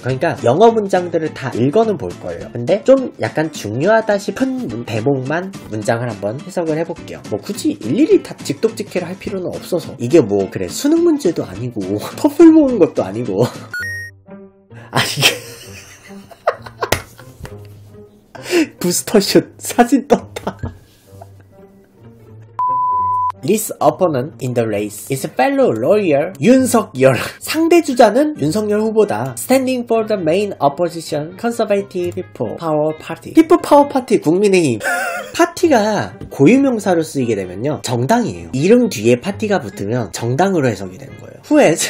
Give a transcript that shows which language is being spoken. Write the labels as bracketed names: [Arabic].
[Korean] 그러니까 영어 문장들을 다 읽어는 볼 거예요. 근데 좀 약간 중요하다 싶은 대목만 문장을 한번 해석을 해볼게요. 뭐 굳이 일일이 다 직독직해를 할 필요는 없어서. 이게 뭐 그래, 수능 문제도 아니고 토플 보는 것도 아니고. 아니 부스터 슛 사진 떴다. [English] His opponent in the race is fellow lawyer 윤석열. [Korean] 상대 주자는 윤석열 후보다. [English] Standing for the main opposition Conservative People Power Party. People Power Party, 국민의힘. [Korean] 파티가 고유명사로 쓰이게 되면요, 정당이에요. 이름 뒤에 파티가 붙으면 정당으로 해석이 되는 거예요.